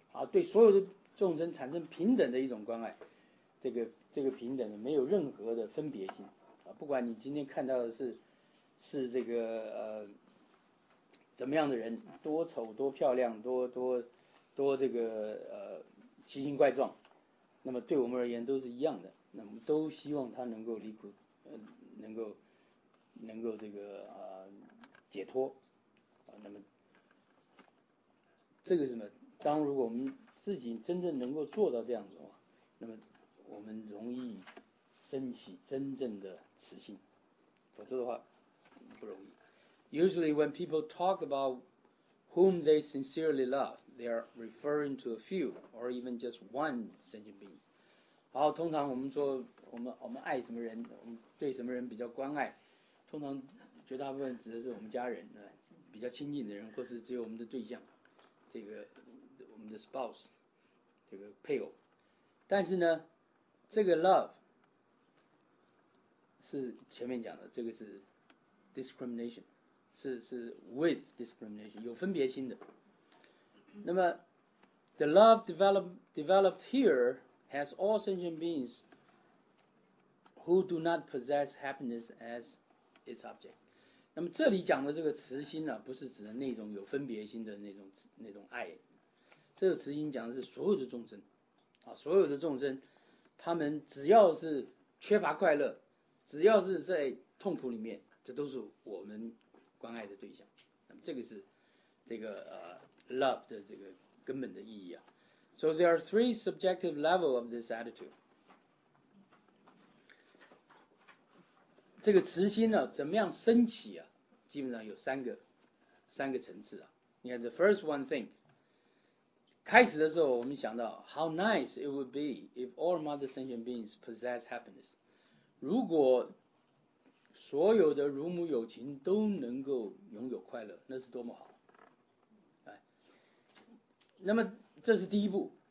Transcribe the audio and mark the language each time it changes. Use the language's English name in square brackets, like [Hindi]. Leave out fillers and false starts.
[Chinese] 对所有的众生产生平等的一种关爱，这个平等的没有任何的分别心啊，不管你今天看到的是这个怎么样的人，多丑多漂亮，多这个奇形怪状，那么对我们而言都是一样的，那么都希望他能够离苦，能够这个解脱啊，那么这个是什么？当如果我们自己真正能够做到这样子的话，那么我们容易升起真正的慈心，否则的话不容易。 [English] Usually when people talk about whom they sincerely love, they are referring to a few or even just one sentient being. [Chinese] 好，通常我们说我们爱什么人，我们对什么人比较关爱，通常绝大部分指的是我们家人，比较亲近的人，或是只有我们的对象，这个我们的 spouse， 这个配偶。但是呢，这个 love 是前面讲的，这个是 discrimination， 是 [English] with discrimination， [Chinese] 有分别心的。 [English] 那么 the love developed here has all sentient beings who do not possess happiness as its object。 [Chinese] 那么这里讲的这个慈心呢、不是指的那种有分别心的那种爱，这个慈心讲的是所有的众生啊，所有的众生他们只要是缺乏快乐，只要是在痛苦里面，这都是我们关爱的对象。那么这个是这个love 的这个根本的意义啊。 [English] So there are three subjective levels of this attitude。 [Chinese] 这个慈心呢、怎么样升起啊，基本上有三个层次啊。你看 [English] the first one thing， [Chinese] 开始的时候我们想到 [English] how nice it would be if all mother sentient beings possess happiness， [Chinese] 如果所有的乳母有情都能够拥有快乐，那是多么好、那么这是第一步。